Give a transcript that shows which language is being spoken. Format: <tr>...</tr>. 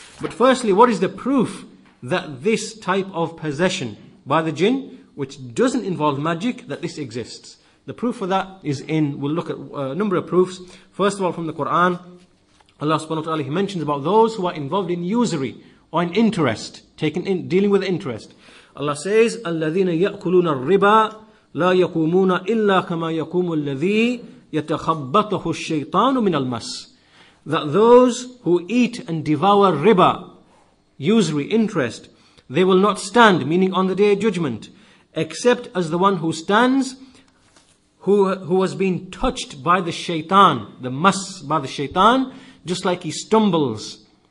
<en>But firstly, what is the proof that this type of possession by the jinn, which doesn't involve magic, that this exists? The proof for that is we'll look at a number of proofs. First of all, from the Qur'an, Allah subhanahu wa ta'ala, he mentions about those who are involved in usury or in interest, dealing with interest. Allah says,</en> <ar>الَّذِينَ يَأْكُلُونَ الرِّبَى لَا يَقُومُونَ إِلَّا كَمَا يَقُومُ الَّذِي يَتَخَبَّطَهُ الشَّيْطَانُ مِنَ الْمَسِ.</ar> <en>That those who eat and devour riba, usury, interest, they will not stand, meaning on the day of judgment, except as the one who stands, who has been touched by the shaitan, the mas, by the shaitan, just like he stumbles.</en>